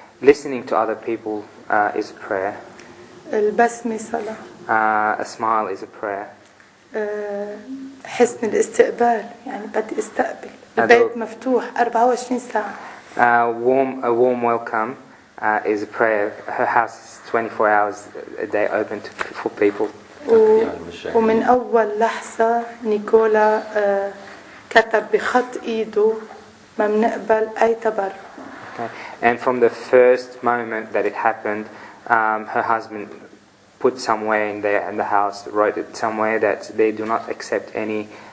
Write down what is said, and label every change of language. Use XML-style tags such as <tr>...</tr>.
<en>Listening to other people is a prayer.</en> <ar>البسمة صلاة.</ar> <en>A smile is a prayer.</en> <ar>حسن الاستقبال يعني بدي استقبل. البيت مفتوح 24 ساعة.</ar> <en>A warm welcome. Is a prayer. Her house is 24 hours a day open to for people.</en> <ar>ومن أول لحظة نيكولا كتب بخط إيده ما منقبل أي تبرع.</ar> <en>And from the first moment that it happened, her husband put somewhere in there in the house, wrote it somewhere that they do not accept any.</en>